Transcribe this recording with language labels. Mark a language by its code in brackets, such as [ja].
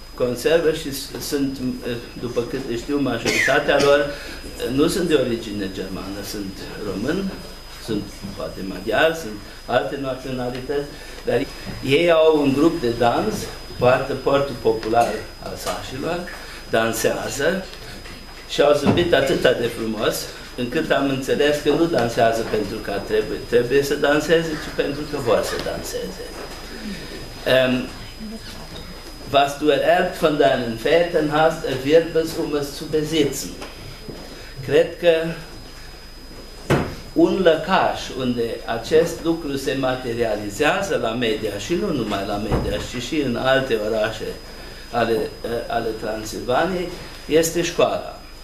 [ro] conservă și sunt, după cât știu, majoritatea lor nu sunt de origine germană, sunt român, sunt poate maghiar, sunt alte naționalități, dar ei au un grup de dans, poartă portul popular al sașilor, dansează și au zâmbit atât de frumos, încât am înțeles că nu dansează pentru că trebuie să danseze, ci pentru că vor să danseze. [de] Was du ererbt von deinen Vätern hast, erwirb es, um es zu besitzen. [ro] Cred că un lăcaș unde acest lucru se materializează la media, și nu numai la media, ci și în alte orașe ale Transilvaniei, este școala.